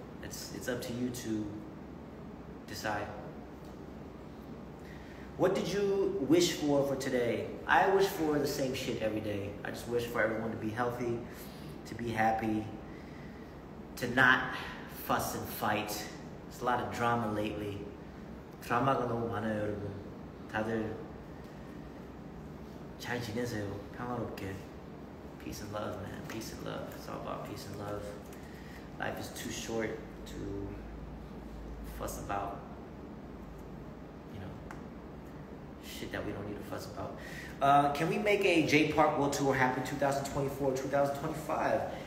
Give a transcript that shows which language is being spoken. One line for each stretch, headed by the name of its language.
English: It's up to you to decide. What did you wish for today? I wish for the same shit every day. I just wish for everyone to be healthy, to be happy, to not fuss and fight. There's a lot of drama lately.
Korean: 드라마가 너무 많아요, 여러분. 다들 잘 지내세요, 평화롭게.
English: Peace and love, man. Peace and love. It's all about peace and love. Life is too short to fuss about, you know, shit that we don't need to fuss about. Can we make a J-Park World Tour happen 2024-2025?